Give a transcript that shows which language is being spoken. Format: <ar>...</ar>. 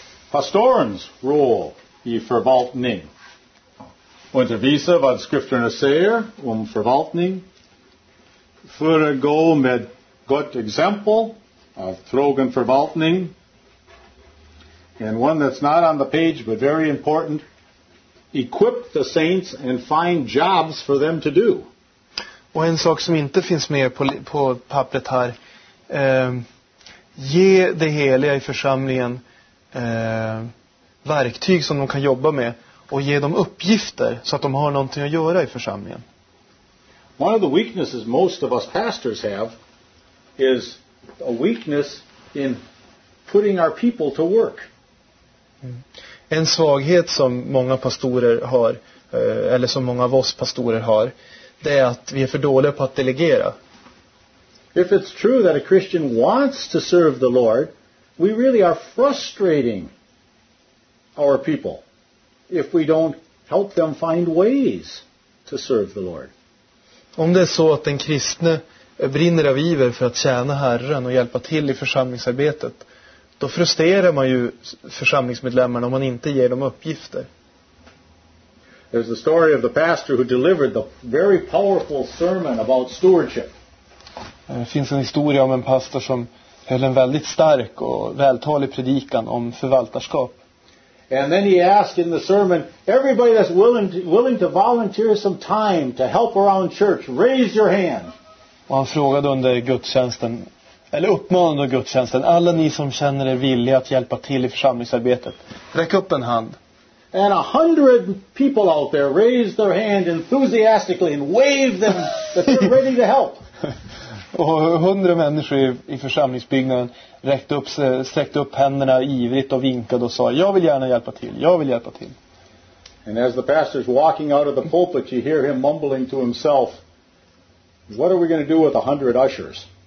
<sv>Pastorens rule i förvaltning. Undervisa vad skrifterna säger om förvaltning. Föregå med gott exempel av trogen förvaltning.</sv> <en>And one that's not on the page but very important. Equip the saints and find jobs for them to do.</en> <sv>Och en sak som inte finns med på pappret här. Ge det heliga i församlingen verktyg som de kan jobba med. Och ge dem uppgifter så att de har någonting att göra i församlingen.</sv> <en>One of the weaknesses most of us pastors have is a weakness in putting our people to work.</en> <sv>En svaghet som många pastorer har, eller som många av oss pastorer har, det är att vi är för dåliga på att delegera.</sv> <en>If it's true that a Christian wants to serve the Lord, we really are frustrating our people if we don't help them find ways to serve the Lord.</en> <sv>Om det är så att en kristne brinner av iver för att tjäna Herren och hjälpa till i församlingsarbetet, då frustrerar man ju församlingsmedlemmarna om man inte ger dem uppgifter.</sv> <en>There's the story of the pastor who delivered the very powerful sermon about stewardship.</en> <sv>Det finns en historia om en pastor som höll en väldigt stark och vältalig predikan om förvaltarskap.</sv> <en>And then he asked in the sermon, everybody that's willing to volunteer some time to help around church, raise your hand.</en> <sv>Och han frågade under gudstjänsten, eller uppmanade gudstjänsten, alla ni som känner er villiga att hjälpa till i församlingsarbetet, räck upp en hand.</sv> <en>And 100 people out there raised their hand enthusiastically and waved them that they're ready to help.</en> <sv>Och 100 människor i församlingsbyggnaden sträckte upp händerna ivrigt och vinkade och sa, jag vill gärna hjälpa till, jag vill hjälpa till.</sv> <en>And as the pastor's walking out of the pulpit, you hear him mumbling to himself, what are we going to do with 100 ushers?</en>